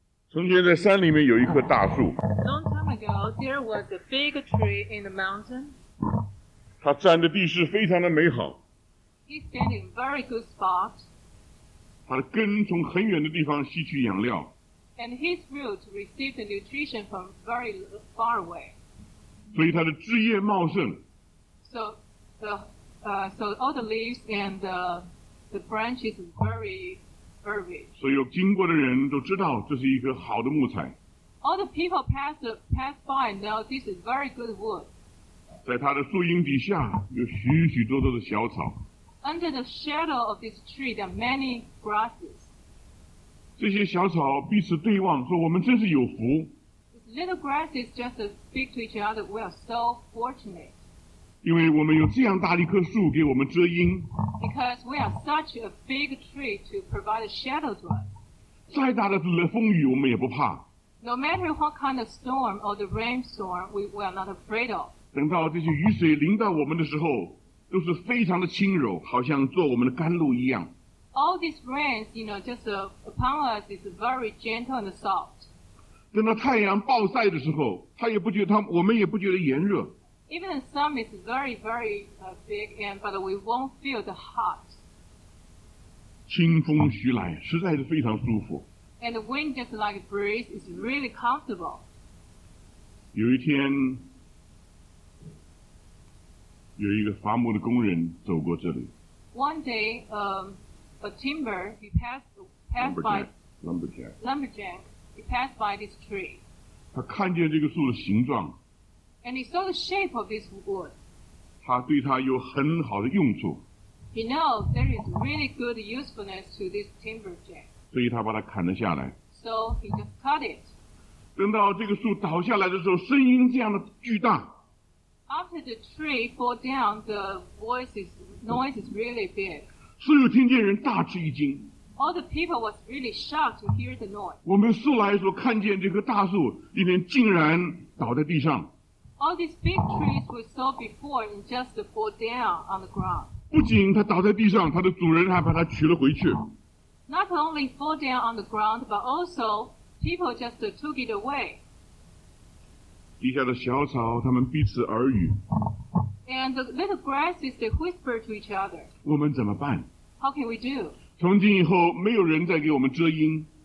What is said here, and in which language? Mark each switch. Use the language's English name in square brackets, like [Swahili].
[Chinese] 从前在山里面有一棵大树。 [English] Long time ago, there was a big tree in the mountain. [Chinese] 它占的地势非常的美好。 [English] It's standing in a very good spot. [Chinese] 它的根从很远的地方吸取养料。 [English] And his roots receive the nutrition from very far away. [Chinese] 所以它的枝叶茂盛。 [English] So all the leaves and the branches are very... [Chinese] 所有经过的人都知道这是一棵好的木材。 [English] All the people pass by know this is very good wood. [Chinese] 在它的树荫底下有许许多多的小草。 [English] Under the shadow of this tree there are many grasses. [Chinese] 这些小草彼此对望说我们真是有福。 [English] These little grasses just speak to each other, we are so fortunate. [Chinese] 因为我们有这样大的一棵树给我们遮阴。 [English] Because we are such a big tree to provide a shadow to us. [Chinese] 再大的风雨我们也不怕。 [English] No matter what kind of storm or the rainstorm, we are not afraid of. [Chinese] 等到这些雨水淋到我们的时候，都是非常的轻柔，好像做我们的甘露一样。 [English] All these rains, you know, just upon us is very gentle and soft. [Chinese] 等到太阳暴晒的时候，我们也不觉得炎热。 [English] Even the sun is very, very big, and but we won't feel the hot. [Chinese] 清风徐来，实在是非常舒服。 [English] And the wind just like a breeze is really comfortable. [Chinese] 有一天，有一个伐木的工人走过这里。 [English] One day, a timber he passed by lumberjack. He passed by this tree. [Chinese] 他看见这个树的形状。 [English] And he saw the shape of this wood. [Chinese] 它对它有很好的用处。 [English] He knows there is really good usefulness to this timber jack. [Chinese] 所以他把它砍了下来。 [English] So he just cut it. [Chinese] 等到这个树倒下来的时候，声音这样的巨大。 [English] After the tree fall down, the noise is really big. [Chinese] 所有听见人大吃一惊。 [English] All the people was really shocked to hear the noise. [Chinese] 我们素来所看见这棵大树，里面竟然倒在地上。 [English] All these big trees we saw before and just fall down on the ground. [Chinese] 不仅它倒在地上，它的主人还把它取了回去。 [English] Not only fall down on the ground, but also people just took it away. [Chinese] 地下的小草，它们彼此耳语。 [English] And the little grasses they whisper to each other. [Chinese] 我们怎么办？ [English] How can we do? [Chinese] 从今以后，没有人再给我们遮阴。